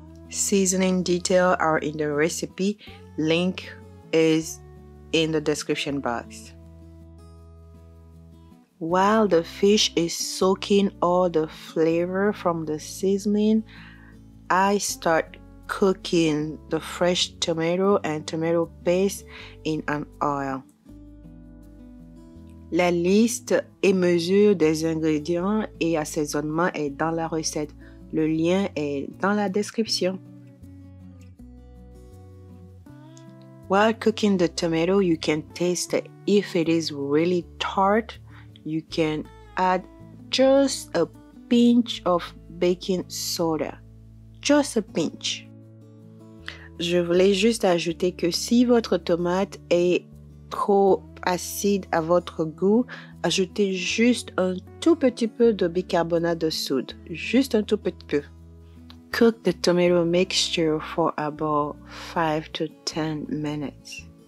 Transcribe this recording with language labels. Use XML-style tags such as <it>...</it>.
<en>Seasoning details are in the recipe. Link is in the description box. While the fish is soaking all the flavor from the seasoning, I start cooking the fresh tomato and tomato paste in an oil.</en> <fr>La liste et mesure des ingrédients et assaisonnement est dans la recette. Le lien est dans la description.</fr> <en>While cooking the tomato, you can taste it. If it is really tart, you can add just a pinch of baking soda. Just a pinch.</en> <fr>Je voulais juste ajouter que si votre tomate est trop acide à votre goût, ajoutez juste un tout petit peu de bicarbonate de soude. Juste un tout petit peu.</fr> <en>Cook the tomato mixture for about 5 to 10 minutes.</en>